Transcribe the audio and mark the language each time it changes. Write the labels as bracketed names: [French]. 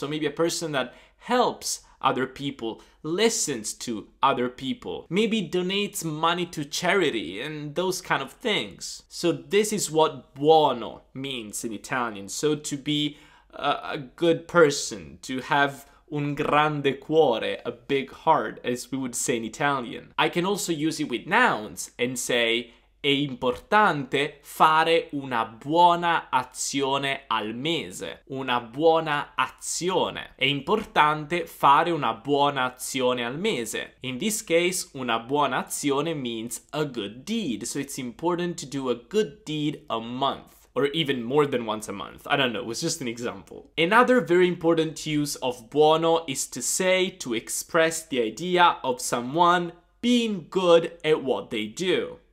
[English] So maybe a person that helps other people, listens to other people, maybe donates money to charity and those kind of things. So this is what buono means in Italian. So to be a good person, to have [Italian] un grande cuore, [English] a big heart, as we would say in Italian. I can also use it with nouns and say [Italian] è importante fare una buona azione al mese. Una buona azione. È importante fare una buona azione al mese. [English] In this case, [Italian] una buona azione [English] means a good deed. So it's important to do a good deed a month. Or even more than once a month. I don't know, it was just an example. Another very important use of buono is to say, to express the idea of someone being good at what they do.